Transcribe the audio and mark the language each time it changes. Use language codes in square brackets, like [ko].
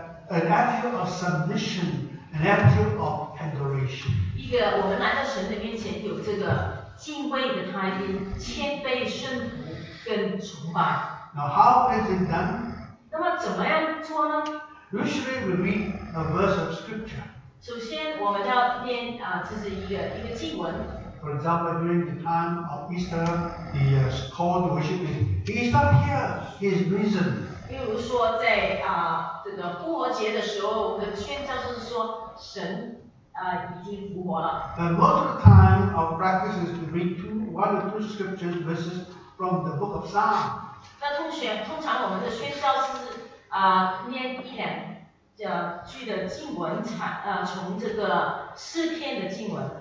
[en] An attitude of submission, an attitude of adoration. [zh] 一个我们来到神的面前有这个敬畏的态度，谦卑顺服跟崇拜。 [en] Now how is it done? [zh] 那么怎么样做呢？ [en] Usually we read a verse of scripture. [zh] 首先我们要念啊，这是一个经文。 [en] For example, during the time of Easter, the call to worship is, He is not here, He is risen. [zh] 比如说在这个复活节的时候，我们的宣教就是说神已经复活了。 [en] But most of the time our practice is to read one or two scriptures verses from the book of Psalm. [zh] 那通常我们的宣教是念一两句的经文，从这个诗篇的经文。